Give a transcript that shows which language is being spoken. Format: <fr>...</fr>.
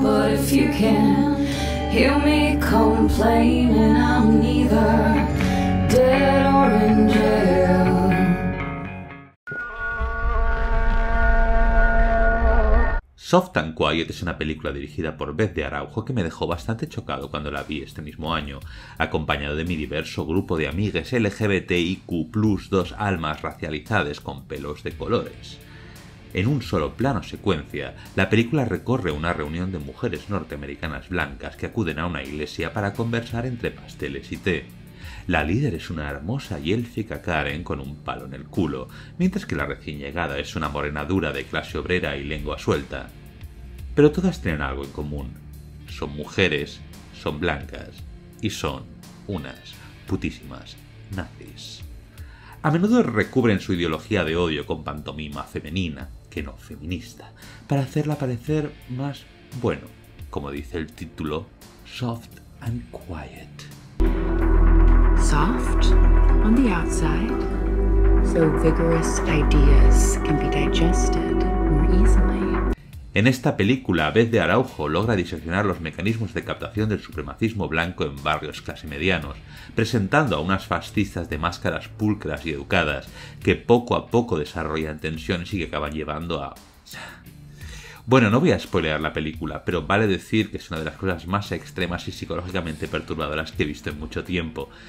<en>But if you can hear me complain, and I'm neither dead or in jail.</en> <es>Soft and Quiet es una película dirigida por Beth de Araujo que me dejó bastante chocado cuando la vi este mismo año, acompañado de mi diverso grupo de amigues LGBTIQ+, dos almas racializadas con pelos de colores. En un solo plano secuencia, la película recorre una reunión de mujeres norteamericanas blancas que acuden a una iglesia para conversar entre pasteles y té. La líder es una hermosa y élfica Karen con un palo en el culo, mientras que la recién llegada es una morena dura de clase obrera y lengua suelta. Pero todas tienen algo en común. Son mujeres, son blancas y son unas putísimas nazis. A menudo recubren su ideología de odio con pantomima femenina, que no feminista, para hacerla parecer más, bueno, como dice el título, Soft and Quiet.</es> <en>Soft on the outside, so vigorous ideas can be digested more easily.</en> <es>En esta película, Beth de Araujo logra diseccionar los mecanismos de captación del supremacismo blanco en barrios clase medianos, presentando a unas fascistas de máscaras pulcras y educadas que poco a poco desarrollan tensiones y que acaban llevando a... Bueno, no voy a spoilear la película, pero vale decir que es una de las cosas más extremas y psicológicamente perturbadoras que he visto en mucho tiempo.</es>